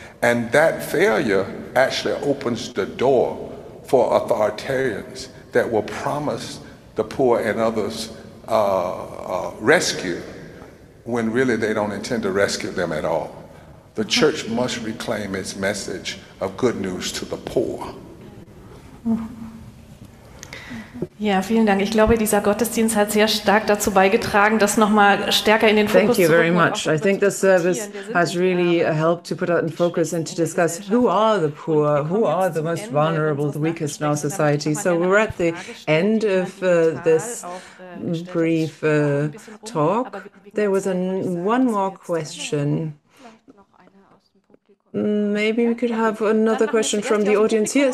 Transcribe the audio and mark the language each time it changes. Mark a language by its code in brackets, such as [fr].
[en] And that failure actually opens the door for authoritarians that will promise the poor and others rescue when really they don't intend to rescue them at all. The church must reclaim its message of good news to the poor. [de] Ja, vielen Dank. Ich glaube, dieser Gottesdienst hat sehr stark dazu beigetragen, das nochmal stärker in den Fokus zu rücken. [en] Thank you very much. I think the service has really helped to put it in focus and to discuss who are the poor, who are the most vulnerable, the weakest in our society. So we're at the end of this brief talk. There was one more question. Maybe we could have another question from the audience here.